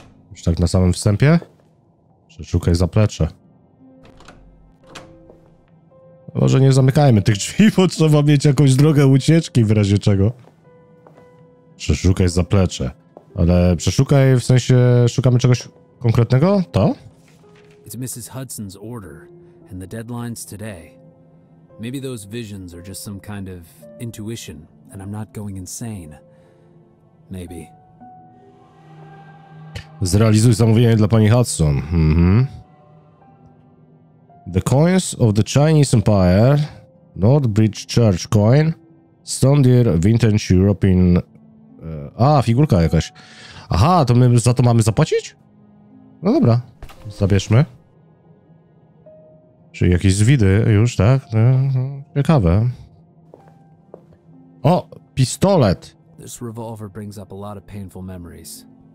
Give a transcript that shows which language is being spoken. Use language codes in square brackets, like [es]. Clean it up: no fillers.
[pl] Już tak na samym wstępie? Przeszukaj zaplecze. Może nie zamykajmy tych drzwi, bo trzeba mieć jakąś drogę ucieczki w razie czego. Przeszukaj zaplecze. Ale przeszukaj, w sensie szukamy czegoś konkretnego? To? [en] It's Mrs. Hudson's order, and the deadline's today. Maybe those visions are just some kind of intuition, and I'm not going insane. Maybe. [pl] Zrealizuj zamówienie dla pani Hudson. Mm-hmm. [en] The coins of the Chinese Empire, Northbridge Church coin, Stondir Vintage European... [pl] figurka jakaś. Aha, to my za to mamy zapłacić? No dobra, zabierzmy. Czyli jakieś zwidy już, tak? Ciekawe. O, pistolet! [en] This revolver brings up a lot of painful memories.